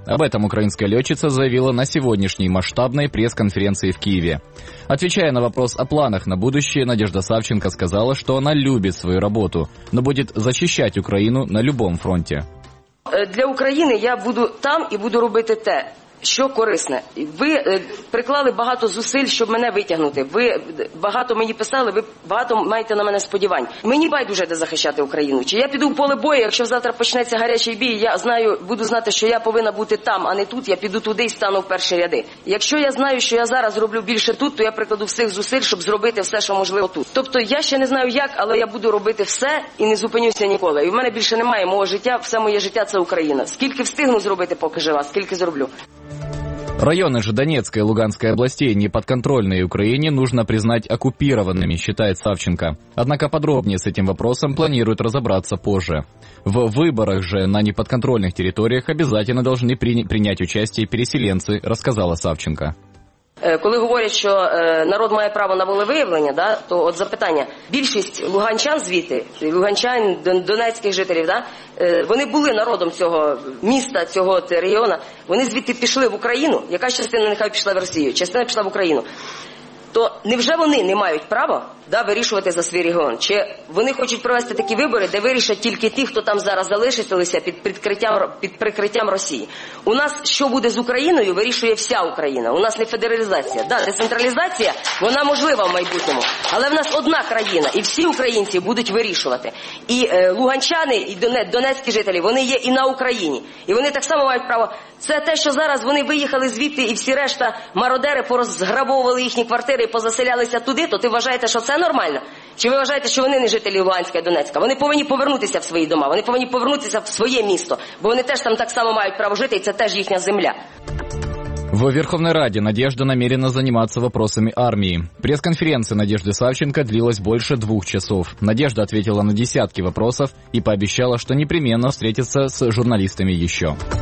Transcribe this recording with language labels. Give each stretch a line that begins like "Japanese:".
Russian: Об этом украинская летчица заявила на сегодняшней масштабной пресс-конференции в Киеве. Отвечая на вопрос о планах на будущее, Надежда Савченко сказала, что она любит свою работу, но будет защищать Украину на любом фронте. Для Украины я буду там и буду делать то,
Ukrainian: Що корисне? Ви приклали багато зусиль, щоб мене витягнути. Ви багато мені писали, ви багато маєте на мене сподівань. Мені байдуже, де захищати Україну. Чи я піду в поле бою, якщо завтра почнеться гарячий бій, я знаю, буду знати, що я повинна бути там, а не тут, я піду туди і стану в перші ряди. Якщо я знаю, що я зараз роблю більше тут, то я прикладу всіх зусиль, щоб зробити все, що можливо тут. Тобто я ще не знаю як, але я буду робити все і не зупинюся ніколи. І в мене більше немає мого життя, все моє життя – це Україна. Скільки встигну зробити, поки жива, скільки зроблю.
Russian: Районы же Донецкой и Луганской областей, не подконтрольные Украине, нужно признать оккупированными, считает Савченко. Однако подробнее с этим вопросом планируют разобраться позже. В выборах же на неподконтрольных территориях обязательно должны принять участие переселенцы, рассказала Савченко.
Ukrainian: Коли говорять, що народ має право на волевиявлення, да, то от запитання. Більшість луганчан звідти, луганчан, донецьких жителів, да, вони були народом цього міста, цього регіону, вони звідти пішли в Україну, яка частина нехай пішла в Росію, частина пішла в Україну. То невже вони не мають права, да, вирішувати за свій регіон? Чи вони хочуть провести такі вибори, де вирішать тільки ті, хто там зараз залишилися під прикриттям Росії? У нас що буде з Україною, вирішує вся Україна. У нас не федералізація. Да, децентралізація, вона можлива в майбутньому. Але в нас одна країна, і всі українці будуть вирішувати. І луганчани, і донецькі жителі, вони є і на Україні. І вони так само мають право. Це те, що зараз вони виїхали звідти, і всі решта мародери порозграбовували їхні квартири і позаселялися туди, то ти вважаєте, що це нормально? Чи ви вважаєте, що вони не жителі Луганська і Донецька? Вони повинні повернутися в свої дома, вони повинні повернутися в своє місто, бо вони теж там так само мають право жити, і це теж їхня земля.
Russian: В Верховной Раде Надежда намерена заниматься вопросами армии. Пресс-конференция Надежды Савченко длилась больше 2 часов. Надежда ответила на десятки вопросов и пообещала, что непременно встретится с журналистами еще.